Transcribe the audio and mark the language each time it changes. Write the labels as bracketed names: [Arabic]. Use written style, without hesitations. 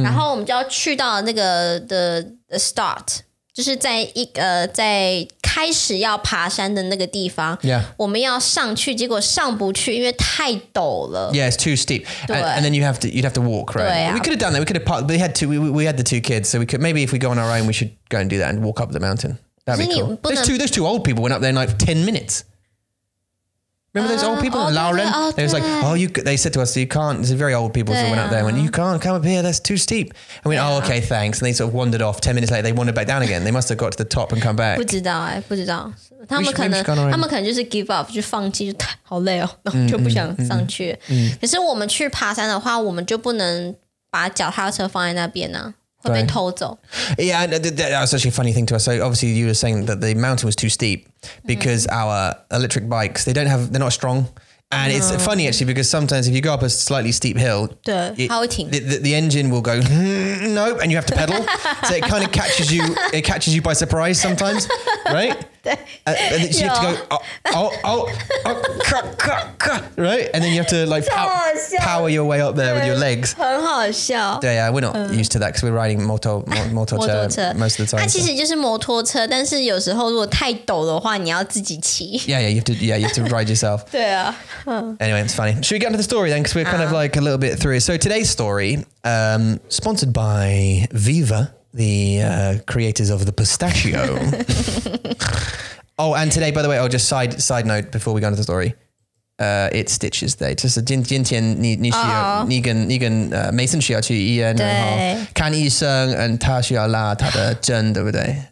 [Chinese] 但是我们找到这个很好的条路的。可是我一直跟你讲说这是爬山的，这不是骑脚踏车，但是你还是很想去，所以我们还是骑脚踏车去，然后我们就要去到那个 start。就是在开始要爬山的那个地方 [English] yeah. [Chinese] 我们要上去 结果上不去 因为太陡了 [English] Yeah, it's too steep and then you'd have to walk, right? [Chinese] 对啊, [English] we could have done that. We could have parked. We had the two kids, so we could maybe if we go on our own we should go and do that and walk up the mountain. That'd be cool. There's two old people went up there in like 10 minutes. Remember those old people? Lauren? They was like, oh, they said to us, you can't. There's very old people who went up there and went, you can't come up here. That's too steep. I went, oh, okay, thanks. And they sort of wandered off. 10 minutes later, they wandered back down again. They must have got to the top and come back. [Chinese] 不知道。他们可能就是 [English] give up, [Chinese] 就放弃,就太好累了,就不想上去。可是我们去爬山的话,我们就不能把脚踏车放在那边啊。 [English] Right. Yeah, that was actually a funny thing to us. So obviously you were saying that the mountain was too steep because our electric bikes, they're not strong. And it's funny actually, because sometimes if you go up a slightly steep hill, the engine will go, nope, and you have to pedal. So it kind of catches you by surprise sometimes, right? And then you have to go, right? And then you have to like power your way up there with your legs. [Chinese] 很好笑. [English] Yeah, we're not used to that because we're riding moto车 most of the time. [Chinese] 它其实就是摩托车, 但是有时候如果太陡的话, 你要自己骑. [English] Yeah, you have to ride yourself. [Chinese] 对啊. [English] Anyway, it's funny. Should we get into the story then? Because we're kind of like a little bit through. So today's story, sponsored by Viva, the creators of the pistachio. Oh, and today, by the way, oh, just side note before we go into the story. It's Stitch's Day. Just a jintian nigan Mason Shia to Ian Kan Yi Sung and Tashia La Tata Jen over there.